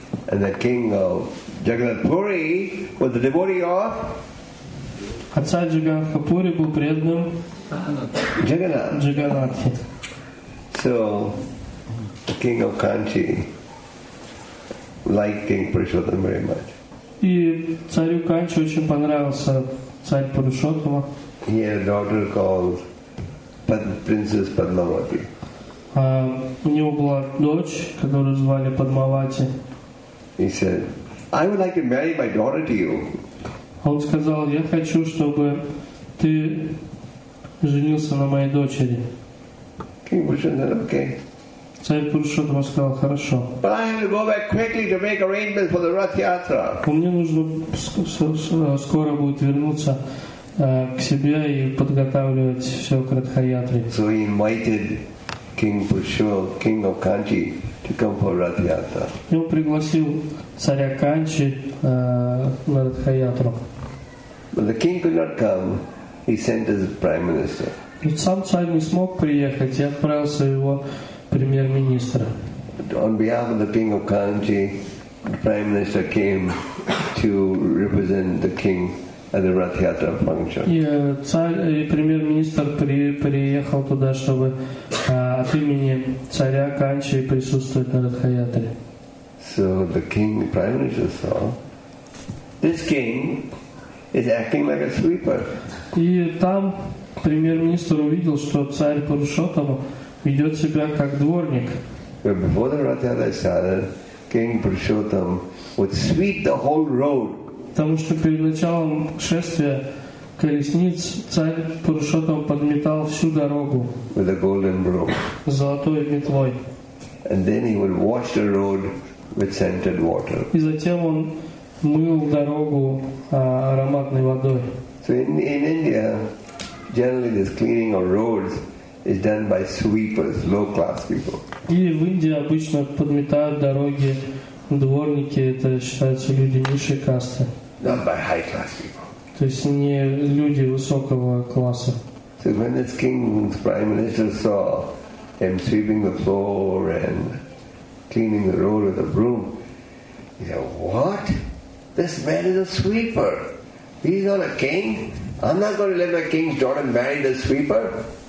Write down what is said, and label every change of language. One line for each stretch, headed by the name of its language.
English: And the king of Jagannathpuri was a devotee of.
Russian: А царь Джаганнатхапури был преданным
English: Jagannath. So, the king of Kanchi liked King Purushottam very much.
Russian: И царю Канчи очень понравился царь Пурушоттама.
English: He had a daughter called Princess Padmavati.
Russian: У него была дочь, которую звали Падмавати.
English: He said, "I would like to marry my daughter to you."
Russian: Он сказал, "Я хочу, чтобы ты женился на моей дочери."
English: King Purushottam said, "Okay."
Russian: Царь Пурушоттама сказал, "Хорошо."
English: But I have to go back quickly to make arrangements for the Rath Yatra.
Russian: Мне нужно скоро будет вернуться к себе и подготавливать все к Ратхаятре.
English: So he invited King Purushottam, King of Kanchi, to come for Rath Yatra.
Russian: И он пригласил царя Канчи на Ратхаятру.
English: But the king could not come. He sent his prime minister.
Russian: Ведь сам царь не смог приехать, и отправился его премьер-министра.
English: On behalf of the king of Kanchi, the prime minister came to represent the king at the Rath Yatra function.
Russian: И царь и премьер-министр приехал туда, чтобы от имени царя Канчи присутствовать на Ратха Ятре.
English: So the king, the prime minister saw, this king is acting like a sweeper.
Russian: И там премьер-министр увидел, что царь Пурушоттама ведет себя как дворник.
English: Before the Rath Yatra started, King Purushottam would sweep the whole road.
Russian: Потому что перед началом шествия колесниц царь Пурушоттам подметал всю дорогу
English: with a golden broom.
Russian: Золотой метлой.
English: And then he would wash the road with scented water.
Russian: И затем он мыл дорогу ароматной водой.
English: So in India, generally this cleaning of roads is done by sweepers, low-class people.
Russian: И в Индии обычно подметают дороги дворники, это считаются люди низшей касты.
English: Not by high-class people.
Russian: То есть не люди высокого класса.
English: So when this king's prime minister saw him sweeping the floor and cleaning the road with a broom, he said, "What? This man is a sweeper. He's not a king. I'm not going to let my king's daughter marry the sweeper."